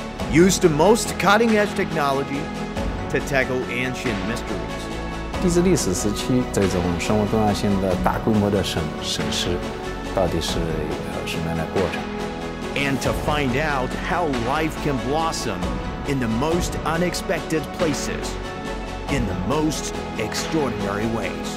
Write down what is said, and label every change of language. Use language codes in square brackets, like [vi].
[en] Use the most cutting-edge technology to tackle ancient mysteries. [zh] 地质历史时期这种生物多样性的大规模的审视，到底是什么样的过程？ [en] And to find out how life can blossom in the most unexpected places, in the most extraordinary ways.